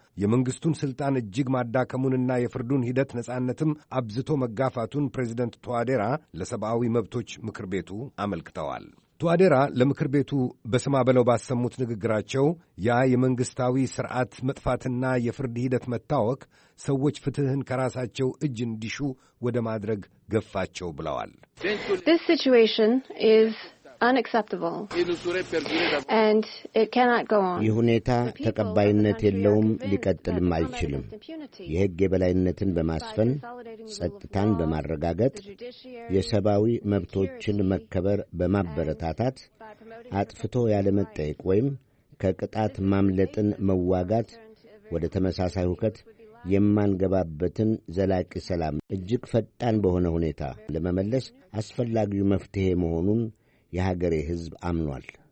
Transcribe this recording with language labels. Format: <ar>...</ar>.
<am>የመንግሥቱን ሥልጣን እጅግ ማዳከሙንና የፍርዱን ሂደት ነጻነትም አብዝቶ መጋፋቱን ፕሬዚደንት ቶዋዴራ ለሰብአዊ መብቶች ምክር ቤቱ አመልክተዋል። ቶዋዴራ ለምክር ቤቱ በስማ በለው ባሰሙት ንግግራቸው ያ የመንግሥታዊ ሥርዓት መጥፋትና የፍርድ ሂደት መታወክ ሰዎች ፍትሕን ከራሳቸው እጅ እንዲሹ ወደ ማድረግ ገፋቸው ብለዋል።</am> <en>This situation is unacceptable and it cannot go on.</en> <am>ይህ ሁኔታ ተቀባይነት የለውም፣ ሊቀጥልም አይችልም። የሕግ የበላይነትን በማስፈን ጸጥታን በማረጋገጥ የሰብአዊ መብቶችን መከበር በማበረታታት አጥፍቶ ያለመጠየቅ ወይም ከቅጣት ማምለጥን መዋጋት ወደ ተመሳሳይ ሁከት የማንገባበትን ዘላቂ ሰላም እጅግ ፈጣን በሆነ ሁኔታ ለመመለስ አስፈላጊው መፍትሄ መሆኑን የሀገሬ ሕዝብ አምኗል።</am>